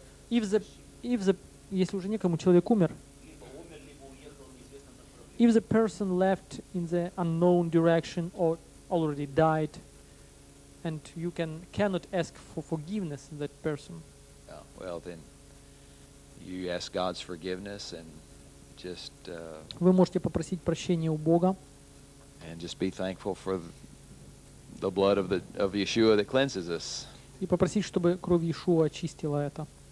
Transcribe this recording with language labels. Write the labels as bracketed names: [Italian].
[English] If the [Russian] если уже некому человек умер. [English] If the person left in the unknown direction or already died, and you cannot ask for forgiveness in that person. Yeah, well then. You ask God's forgiveness and just. [Russian] Вы можете попросить прощения у Бога. [English] And just be thankful for the blood of Yeshua that cleanses us. [Russian] И попросить, чтобы кровь Иешуа очистила это.